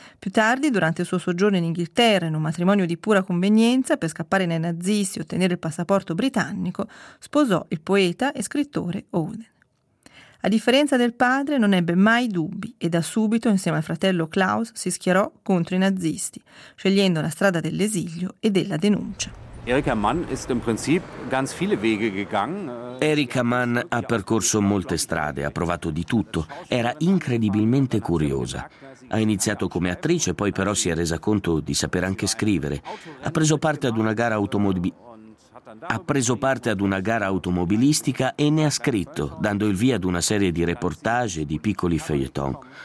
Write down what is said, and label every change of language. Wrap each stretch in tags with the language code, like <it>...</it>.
<it>Più tardi, durante il suo soggiorno in Inghilterra, in un matrimonio di pura convenienza, per scappare dai nazisti e ottenere il passaporto britannico, sposò il poeta e scrittore Owen. A differenza del padre, non ebbe mai dubbi e da subito, insieme al fratello Klaus, si schierò contro i nazisti, scegliendo la strada dell'esilio e della denuncia.</it> <de>Erika Mann ist im Prinzip ganz viele Wege gegangen.</de> <it>Erika Mann ha percorso molte strade, ha provato di tutto, era incredibilmente curiosa. Ha iniziato come attrice, poi però si è resa conto di saper anche scrivere. Ha preso parte ad una gara automobilistica e ne ha scritto, dando il via ad una serie di reportage e di piccoli feuilleton.</it>